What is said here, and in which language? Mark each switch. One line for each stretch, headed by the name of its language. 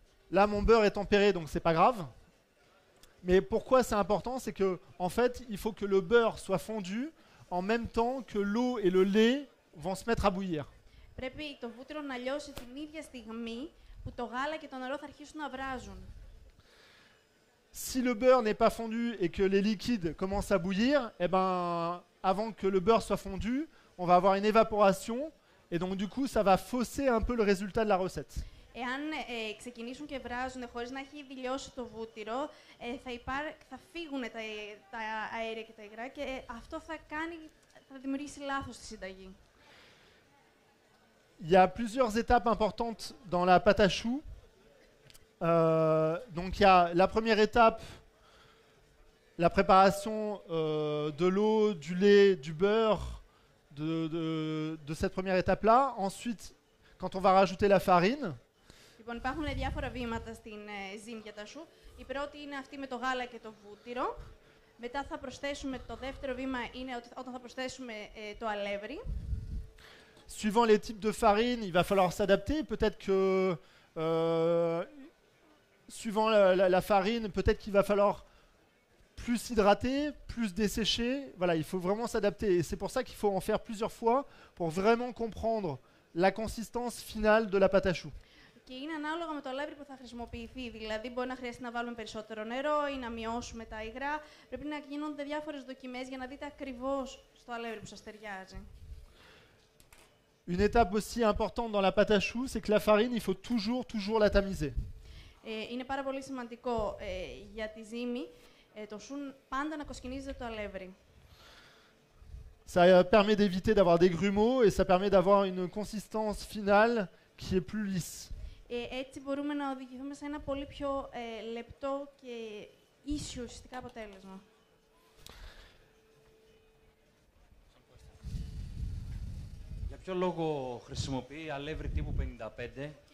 French: Là, mon beurre est tempéré, donc c'est pas grave. Mais pourquoi c'est important, c'est que en fait, il faut que le beurre soit fondu en même temps que l'eau et le lait vont se mettre à bouillir.
Greek: Πρέπει το βούτυρο να λιώσει την ίδια στιγμή που το γάλα και το νερό θα αρχίσουν να βράζουν.
French: Si le beurre n'est pas fondu et que les liquides commencent à bouillir, eh ben avant que le beurre soit fondu, on va avoir une évaporation et donc du coup ça va fausser un peu le résultat de la recette.
Greek: Εάν ξεκινήσουν και βράζουν χωρίς να έχει δηλειώσει το βούτυρο, θα φύγουν τα αέρια και τα υγρά και αυτό θα δημιουργήσει λάθος στη συνταγή.
French: Il y a plusieurs étapes importantes dans la pâte à choux. Donc il y a la première étape, la préparation de l'eau, du lait, du beurre, de cette première étape-là. Ensuite, quand on va rajouter la farine.
Greek: Λοιπόν, υπάρχουν διάφορα βήματα στην ζύμη για τα σού. Η πρώτη είναι αυτή με το γάλα και το βούτυρο. Μετά θα προσθέσουμε, το δεύτερο βήμα είναι όταν θα προσθέσουμε το αλεύρι.
French: Suivant les types de farine, il va falloir s'adapter. Peut-être que, suivant la farine, peut-être qu'il va falloir plus hydrater, plus dessécher. Voilà, il faut vraiment s'adapter. Et c'est pour ça qu'il faut en faire plusieurs fois pour vraiment comprendre la consistance finale de la pâte à choux.
Greek: Και είναι ανάλογα με το αλεύρι που θα χρησιμοποιηθεί. Δηλαδή, μπορεί να χρειαστεί να βάλουμε περισσότερο νερό ή να μειώσουμε τα υγρά. Πρέπει να γίνονται διάφορες δοκιμές για να δείτε ακριβώς στο αλεύρι που σας ταιριάζει.
French: Une étape aussi importante dans la pâte à choux, c'est que la farine, il faut toujours, toujours la tamiser.
Greek: Είναι πάρα πολύ σημαντικό για τη ζύμη, το σού πάντα να κοσκινίζεται το αλεύρι.
French: Ça permet d'éviter d'avoir des grumeaux et ça permet d'avoir une consistance finale qui est plus lisse.
Greek: Έτσι μπορούμε να οδηγηθούμε σε ένα πολύ πιο λεπτό και ίσιο ουσιαστικά αποτέλεσμα. Για ποιο λόγο χρησιμοποιεί αλεύρι τύπου 55?